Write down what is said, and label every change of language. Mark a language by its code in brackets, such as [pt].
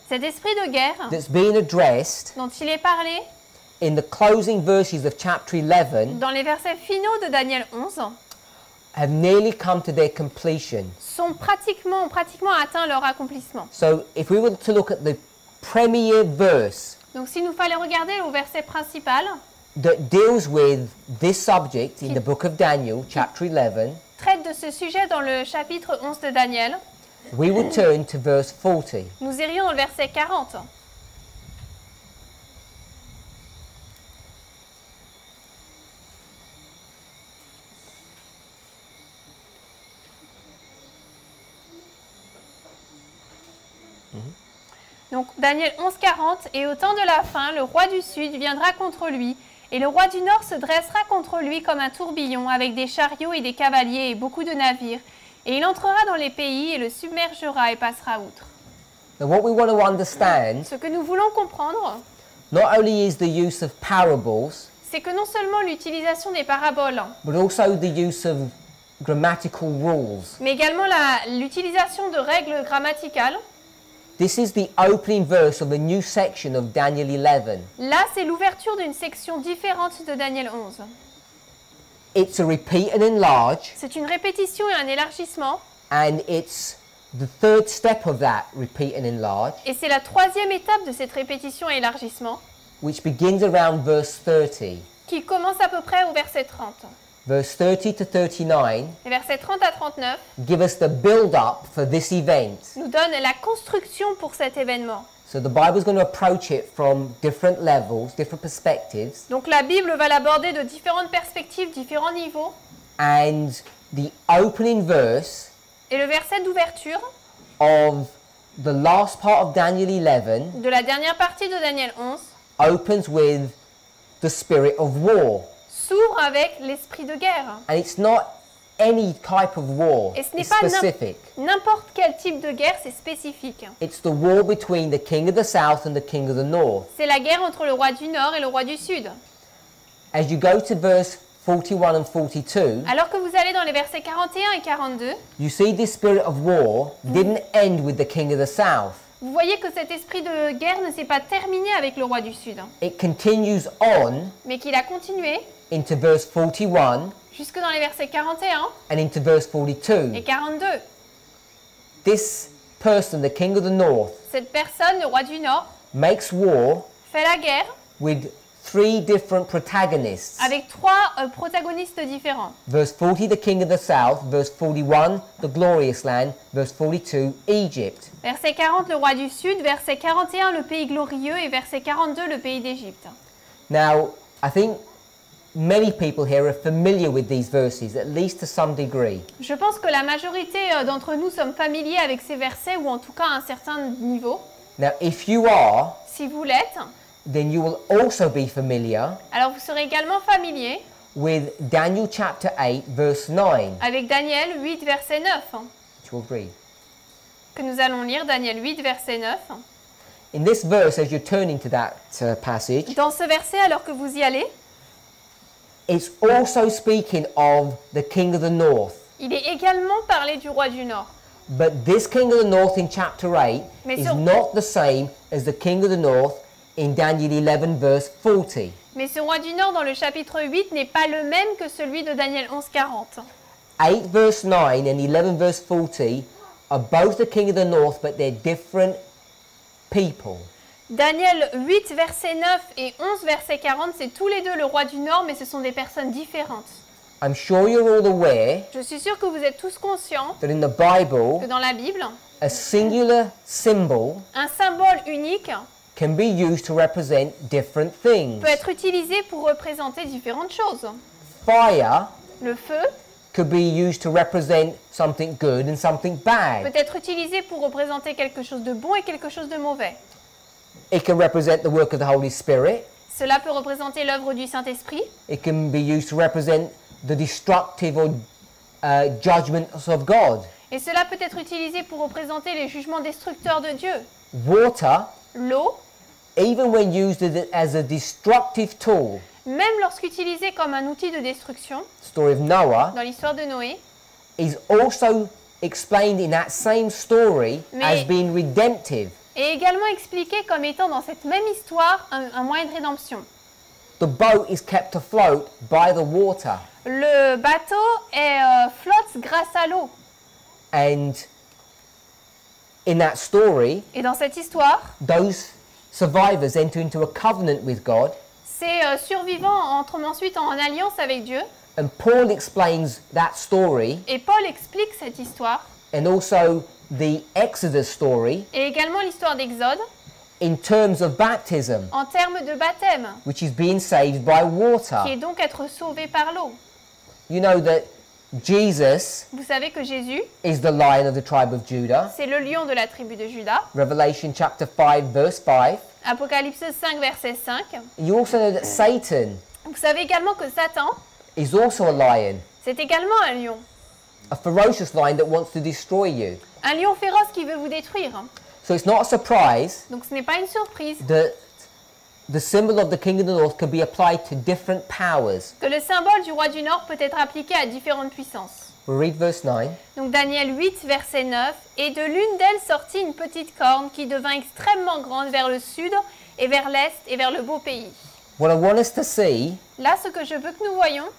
[fr] Cet esprit de guerre. [en] That's being addressed. [fr] Dont il est parlé. [en] In the closing verses of chapter 11. [fr] Dans les versets finaux de Daniel 11. [en] Have nearly come to their completion. [fr] Sont pratiquement atteint leur accomplissement. [en] So if we were to look at the premier verse. [fr] Donc s'il nous fallait regarder au verset principal. [en] That deals with this subject in the book of Daniel, chapter 11. [fr] Traite de ce sujet dans le chapitre 11 de Daniel. [en] We will turn to verse 40. [fr] Nous irions dans le verset 40. Donc Daniel 11, 40. Et au temps de la fin, le roi du sud viendra contre lui. Et le roi du Nord se dressera contre lui comme un tourbillon, avec des chariots et des cavaliers et beaucoup de navires. Et il entrera dans les pays et le submergera et passera outre. [en] Now what we want to understand, [fr] ce que nous voulons comprendre, [en] not only is the use of parables, [fr] c'est que non seulement l'utilisation des paraboles, [en] but also the use of grammatical rules, [fr] mais également l'utilisation de règles grammaticales. [en] This is the opening verse of a new section of Daniel 11. [fr] Là, c'est l'ouverture d'une section différente de Daniel 11. [en] It's a repeat and enlarge. [fr] C'est une répétition et un élargissement. [en] And it's the third step of that repeat and enlarge. [fr] Et c'est la troisième étape de cette répétition et élargissement. [en] Which begins around verse 30. [fr] Qui commence à peu près au verset 30. [en] Verse 30 to 39. [fr] Les versets 30 à 39. [en] Give us the build-up for this event. [fr] Nous donne la construction pour cet événement. [en] So the Bible is going to approach it from different levels, different perspectives. [fr] Donc la Bible va l'aborder de différentes perspectives, différents niveaux. [en] And the opening verse. [fr] Et le verset d'ouverture. [en] Of the last part of Daniel 11. [fr] De la dernière partie de Daniel 11. [en] Opens with the spirit of war. [fr] S'ouvre avec l'esprit de guerre. [en] And it's not any type of war. [fr] Et ce n'est pas [en] specific. [fr] N'importe quel type de guerre, c'est spécifique. [en] It's the war between the king of the south and the king of the north. [fr] C'est la guerre entre le roi du nord et le roi du sud. [en] As you go to verse 41 and 42. [fr] Alors que vous allez dans les versets 41 et 42. [en] You see this spirit of war didn't end with the king of the south. [fr] Vous voyez que cet esprit de guerre ne s'est pas terminé avec le roi du sud. [en] It continues on. [fr] Mais qu'il a continué. [en] Into verse 41. [fr] Jusque dans les versets 41. [en] And into verse 42. [fr] Et 42. [en] This person, the king of the north. [fr] Cette personne, le roi du nord. [en] Makes war. [fr] Fait la guerre. [en] With three different protagonists. [fr] Avec trois protagonistes différents. [en] Verse 40, the king of the south. Verse 41, the glorious land. Verse 42, Egypt. [fr] Verset 40, le roi du sud. Verset 41, le pays glorieux. Et verset 42, le pays d'Égypte. [en] Now, I think many people here are familiar with these verses, at least to some degree. [fr] Je pense que la majorité d'entre nous sommes familiers avec ces versets, ou en tout cas à un certain niveau. [en] Now, if you are, [fr] si vous l'êtes, [en] then you will also be familiar. [fr] Alors vous serez également familier. [en] With Daniel chapter 8 verse 9. [fr] Avec Daniel 8 verset 9. [en] Which we'll read. [fr] Que nous allons lire Daniel 8 verset 9. [en] In this verse, as you're turning to that passage. [fr] Dans ce verset, alors que vous y allez. [en] It's also speaking of the king of the north. [fr] Il est également parlé du roi du nord. [en] But this king of the north in chapter 8 is not the same as the king of the north in Daniel 11 verse 40. [fr] Mais ce roi du nord dans le chapitre 8 n'est pas le même que celui de Daniel 11 40. [en] 8 verse 9 and 11 verse 40 are both the king of the north, but they're different people. [fr] Daniel 8 verset 9 et 11 verset 40, c'est tous les deux le roi du nord, mais ce sont des personnes différentes. [en] I'm sure you're all aware. [fr] Je suis sûr que vous êtes tous conscients [en] that in the Bible, [fr] que dans la Bible, [en] a singular symbol, [fr] un symbole unique, [en] can be used to represent different things. [fr] Peut être utilisé pour représenter différentes choses. [en] Fire, [fr] le feu, [en] could be used to represent something good and something bad. [fr] Peut être utilisé pour représenter quelque chose de bon et quelque chose de mauvais. [en] It can represent the work of the Holy Spirit. [fr] Cela peut représenter l'œuvre du Saint-Esprit. [en] It can be used to represent the destructive or judgments of God. [fr] Et cela peut être utilisé pour représenter les jugements destructeurs de Dieu. [en] Water, [fr] l'eau, [en] even when used as a destructive tool, [fr] même lorsqu'utilisé comme un outil de destruction, [en] story of Noah, [fr] dans l'histoire de Noé, [en] is also explained in that same story as being redemptive. [fr] Et également expliqué comme étant dans cette même histoire un moyen de rédemption. [en] The boat is kept afloat by the water. [fr] Le bateau est flotte grâce à l'eau. [en] And in that story, [fr] et dans cette histoire, [en] those survivors enter into a covenant with God. [fr] Ces survivants entrent ensuite en alliance avec Dieu. [en] And Paul explains that story. [fr] Et Paul explique cette histoire. [en] And also the Exodus story. [fr] Et également l'histoire d'Exode. [en] In terms of baptism, [fr] en termes de baptême, [en] which is being saved by water, [fr] qui est donc être sauvé par l'eau. [en] You know that Jesus, [fr] vous savez que Jésus, [en] is the lion of the tribe of Judah. [fr] C'est le lion de la tribu de Judas. [en] Revelation chapter 5 verse 5. [fr] Apocalypse 5 verset 5. [en] You also know that Satan, [fr] vous savez également que Satan, [en] is also a lion. [fr] C'est également un lion. [en] A ferocious lion that wants to destroy you. [fr] Un lion féroce qui veut vous détruire. [en] So it's not a surprise. [fr] Donc ce n'est pas une surprise. [en] That the symbol of the king of the north can be applied to different powers. [fr] Que le symbole du roi du nord peut être appliqué à différentes puissances. [en] We'll read verse 9. [fr] Donc Daniel 8 verset 9, et de l'une d'elles sortit une petite corne qui devint extrêmement grande vers le sud et vers l'est et vers le beau pays. [en] What I want us to see, [fr] là ce que je veux que nous voyons,